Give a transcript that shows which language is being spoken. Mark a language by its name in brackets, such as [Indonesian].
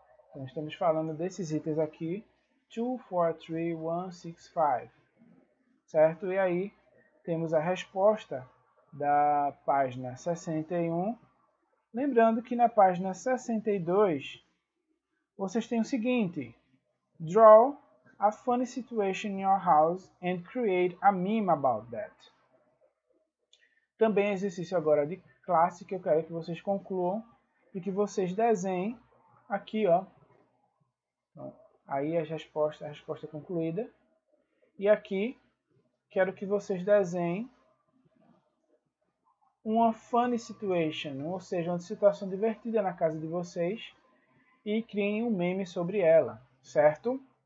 [Portuguese] Então, estamos falando desses itens aqui. 2, 4, 3, 1, 6, 5. Certo? E aí, temos a resposta da página 61. Lembrando que na página 62, vocês têm o seguinte. [English] Draw a funny situation in your house and create a meme about that. [Portuguese] Também exercício agora de classe que eu quero que vocês concluam e que vocês desenhem aqui, ó. Aí a resposta concluída. E aqui, quero que vocês desenhem uma [English] funny situation, [Portuguese] ou seja, uma situação divertida na casa de vocês, e criem um meme sobre ela, certo?